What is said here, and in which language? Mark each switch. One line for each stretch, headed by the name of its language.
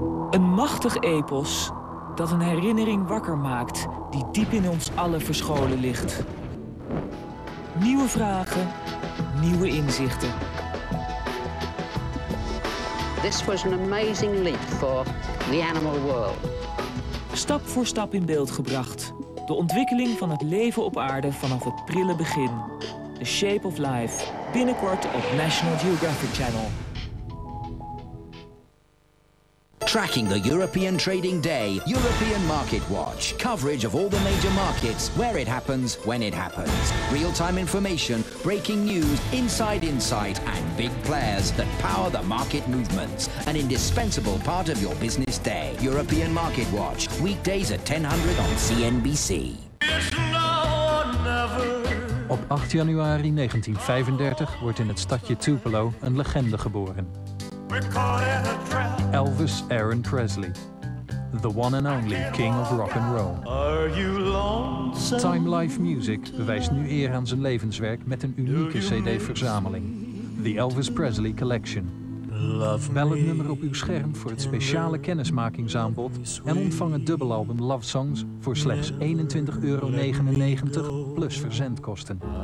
Dutch: Een machtig epos dat een herinnering wakker maakt die diep in ons allen verscholen ligt. Nieuwe vragen, nieuwe inzichten.
English: This was an amazing leap for the animal world.
Dutch: Stap voor stap in beeld gebracht. De ontwikkeling van het leven op aarde vanaf het prille begin. The Shape of Life, binnenkort op National Geographic Channel.
English: Tracking the European trading day, European Market Watch. Coverage of all the major markets, where it happens, when it happens. Real-time information, breaking news, inside insight, and big players that power the market movements. An indispensable part of your business day. European Market Watch, weekdays at 10:00 on CNBC. It's now or never.
Dutch: Op 8 januari 1935 wordt in het stadje Tupelo een legende geboren.
English: Elvis Aaron Presley, the one and only king of rock and roll. Are you lonesome?
Dutch: Time Life Music wijst nu eer aan zijn levenswerk met een unieke CD-verzameling. The Elvis Presley Collection. Love me. Bel het nummer op uw scherm voor het speciale kennismakingsaanbod en ontvang het dubbelalbum Love Songs voor slechts €21,99 plus verzendkosten.